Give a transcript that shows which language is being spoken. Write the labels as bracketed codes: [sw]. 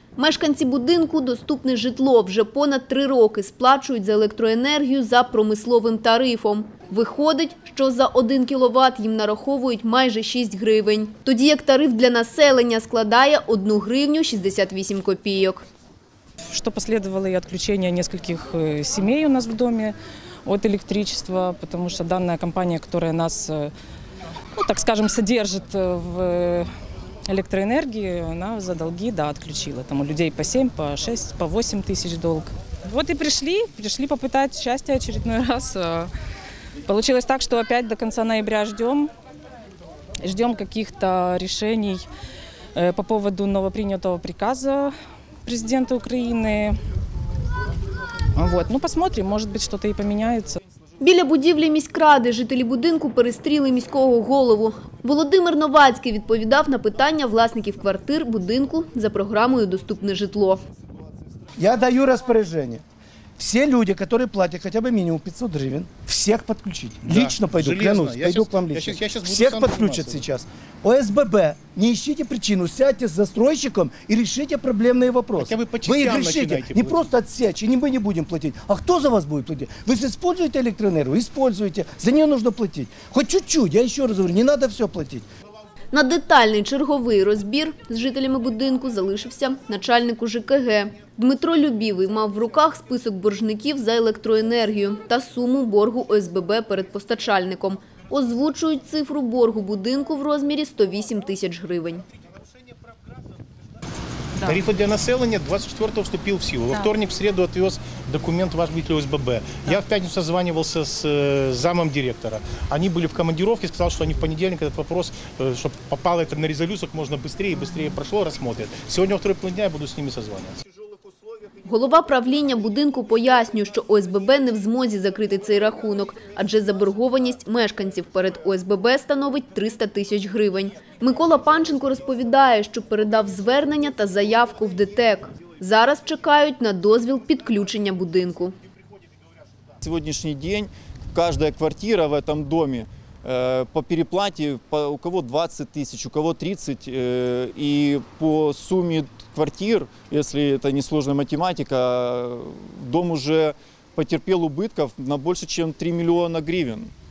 [uk] Мешканці будинку «Доступне житло» вже понад 3 роки сплачують за електроенергію за промисловим тарифом. Виходить, що за 1 кВт їм нараховують майже 6 гривень. Тоді як тариф для населення складає 1 гривню 68 копійок. [ru] Что последовало и отключение нескольких семей у нас в доме от электричества, потому что данная компания, которая нас, ну, так скажем, содержит в электроэнергии, она за долги, да, отключила. Там у людей по 7, по 6, по 8 тысяч долг. Вот и пришли попытать счастье очередной раз. Получилось так, что опять до конца ноября ждем каких-то решений по поводу новопринятого приказа президента України. Вот. Ну, посмотрим, [uk] може бути, щось і поміняється. Біля будівлі міськради жителі будинку перестріли міського голову. Володимир Новацький відповідав на питання власників квартир будинку за програмою «Доступне житло». Я даю розпорядження. Всі люди, які платять хоча б мінімум 500 гривень, всіх підключити. [ru] Да. Лично пойду, клянусь, пойду к вам лично. [uk] Всіх підключать зараз. ОСББ, [ru] не ищите причину, [uk] сядьте з застройщиком і рішите проблемні питання. Ви їх рішите, не просто відсечь, і ми не будемо платити. А хто за вас буде платити? Ви ж використовуєте електроенергію? Використовуєте. За неї потрібно платити. Хоч чуть-чуть, я ще раз говорю, не треба все платити. На детальний черговий розбір з жителями будинку залишився начальник ЖКГ. Дмитро Любівий мав в руках список боржників за електроенергію та суму боргу ОСББ перед постачальником. Озвучують цифру боргу будинку в розмірі 108 тисяч гривень. [ru] Да. Тарифы для населения 24-го вступил в силу. Да. Во вторник, в среду отвез документ ваш житель ОСББ. Да. Я в пятницу созванивался с замом директора. Они были в командировке, сказал, что они в понедельник этот вопрос, чтобы попало это на резолюцию, как можно быстрее и быстрее прошло, рассмотрят. Сегодня во второй полдня я буду с ними созваниваться. [uk] Голова правління будинку пояснює, що ОСББ не в змозі закрити цей рахунок, адже заборгованість мешканців перед ОСББ становить 300 тисяч гривень. Микола Панченко розповідає, що передав звернення та заявку в ДТЕК. Зараз чекають на дозвіл підключення будинку. Сьогоднішній день кожна квартира в цьому домі [ru] по переплате, у кого 20 тысяч, у кого 30, и по сумме квартир, если это не сложная математика, дом уже потерпел убытков на больше, чем 3 миллиона гривен.